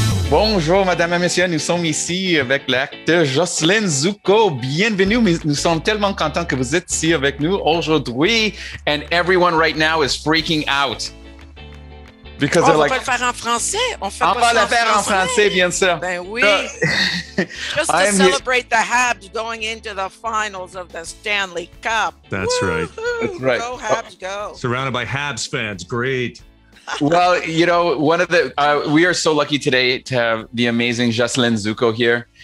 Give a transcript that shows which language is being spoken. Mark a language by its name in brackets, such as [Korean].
[French] Bonjour, madame et messieurs. Nous sommes ici avec l'acteur Jocelyne Zucco. Bienvenue. Nous sommes tellement contents que vous êtes ici avec nous aujourd'hui. [English] And everyone right now is freaking out. Because [French] on ne peut pas le faire en français. On va le faire en français, bien sûr. Ben oui. [English] Just to celebrate the Habs going into the finals of the Stanley Cup. That's Woo-hoo. Right. That's right. Go Habs, go. Surrounded by Habs fans. Great. Well, you know, we are so lucky today to have the amazing Jocelyne Zucco here.